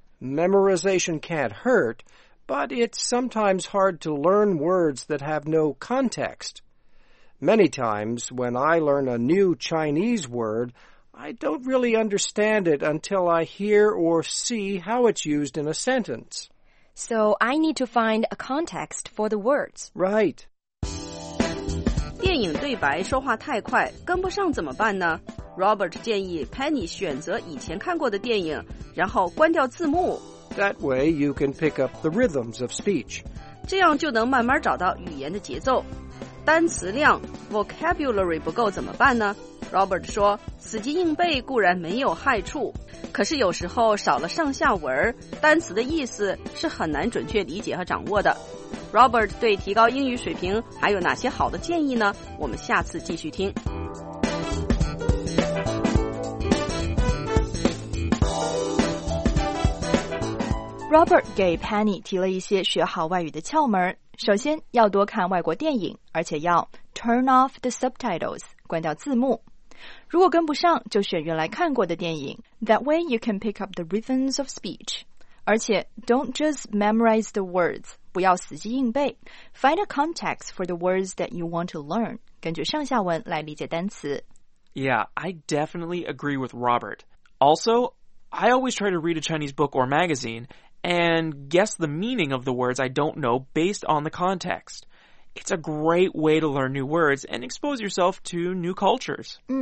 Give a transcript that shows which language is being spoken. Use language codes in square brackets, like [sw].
[en] Memorization can't hurt, but it's sometimes hard to learn words that have no context. Many times when I learn a new Chinese word, I don't really understand it until I hear or see how it's used in a sentence. So I need to find a context for the words. Right. [zh] 电影对白说话太快，跟不上怎么办呢？ Robert 建议 Penny 选择以前看过的电影，然后关掉字幕。 [en] That way you can pick up the rhythms of speech. [zh] 这样就能慢慢找到语言的节奏。单词量 vocabulary 不够怎么办呢？ Robert 说，死记硬背固然没有害处，可是有时候少了上下文，单词的意思是很难准确理解和掌握的。 Robert 对提高英语水平还有哪些好的建议呢？我们下次继续听。 Robert 给 Penny 提了一些学好外语的窍门。首先要多看外国电影，而且要 [en] turn off the subtitles, [zh] 关掉字幕。如果跟不上，就选原来看过的电影。 [en] That way you can pick up the rhythms of speech. 而且 don't just memorize the words. [zh] 不要死记硬背 [en] Find a context for the words that you want to learn. [zh] 根据上下文来理解单词。 [en] Yeah, I definitely agree with Robert. Also, I always try to read a Chinese book or magazine and guess the meaning of the words I don't know based on the context. It's a great way to learn new words and expose yourself to new cultures.